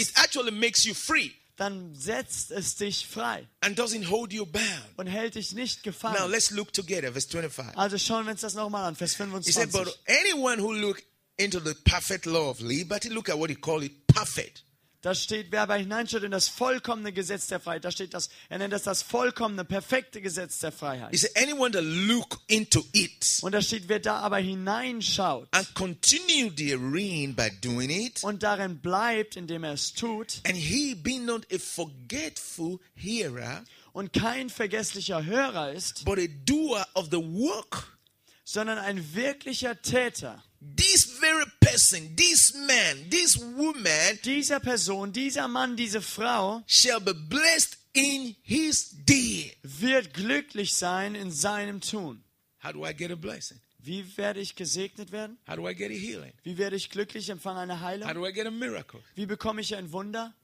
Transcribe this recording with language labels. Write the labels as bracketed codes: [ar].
[en] it actually makes you free. [de] Dann setzt es dich frei. [en] And doesn't hold you bound. [de] Und hält dich nicht gefangen. [en] Now let's look together, verse 25. [de] Also schauen wir uns das nochmal an, Vers 25. [en] He said, "But anyone who look into the perfect law of liberty," look at what he called it, perfect. [de] Da steht, wer aber hineinschaut in das vollkommene Gesetz der Freiheit. Da steht das, er nennt das das vollkommene, perfekte Gesetz der Freiheit. [en] He said, "Anyone that look into it." [de] Und da steht, wer da aber hineinschaut. [en] "And continue therein by doing it." [de] Und darin bleibt, indem er es tut. [en] "And he being not a forgetful hearer." [de] Und kein vergesslicher Hörer ist. [en] "But a doer of the work." [de] Sondern ein wirklicher Täter. [en] This very person, this man, this woman, [de] dieser Person, dieser Mann, diese Frau, [en] shall be blessed in his deed. [de] Wird glücklich sein in seinem Tun. [en] How do I get a blessing? [de] Wie werde ich gesegnet werden? [en] How do I get a healing? [de] Wie werde ich glücklich empfangen eine Heilung? [en] How do I get a miracle? [de] Wie bekomme ich ein Wunder?